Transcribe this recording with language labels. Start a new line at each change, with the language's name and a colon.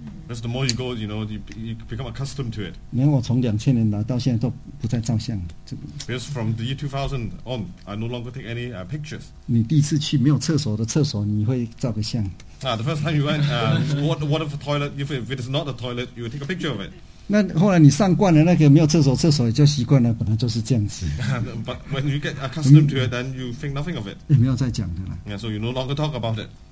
English: That's the more you go, you know, you become accustomed to it.
Chinese: 然后我从2000年来到现在都不再照相。这个,
English: because from the year 2000 on, I no longer take any pictures.
Chinese: 你第一次去没有厕所的厕所你会照个相。
English: The first time you went, what if a toilet, if it is not a toilet, you would take a picture of it.
Chinese: 那后来你上惯了那个没有厕所，厕所也就习惯了，本来就是这样子。
English: But when you get accustomed to it, then you think nothing of it.
Chinese: 也没有再讲的了。
English: Yeah, so you no longer talk about it.